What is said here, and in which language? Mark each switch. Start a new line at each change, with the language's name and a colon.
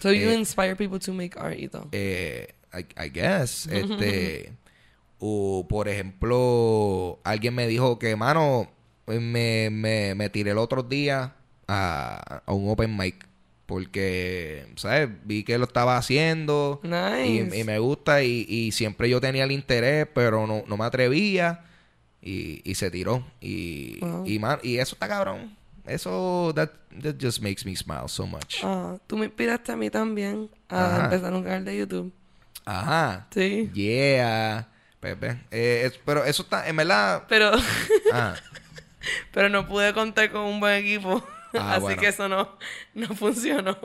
English: So you inspire people to make art, though. I guess.
Spanish: o, por ejemplo, alguien me dijo que, mano, me tiré el otro día a un open mic. Porque, ¿sabes? Vi que lo estaba haciendo.
English: Nice.
Spanish: Y me gusta. Y siempre yo tenía el interés, pero no me atrevía. Y se tiró. Y,
English: wow.
Spanish: y eso está cabrón.
English: Eso, that just makes me smile so much.
Spanish: Tú me inspiraste a mí también a empezar un canal de YouTube. Ajá. Sí. Yeah. Pepe. Pero eso está, en verdad. Pero. Pero no pude contar con un buen equipo. Así bueno. Que eso no funcionó.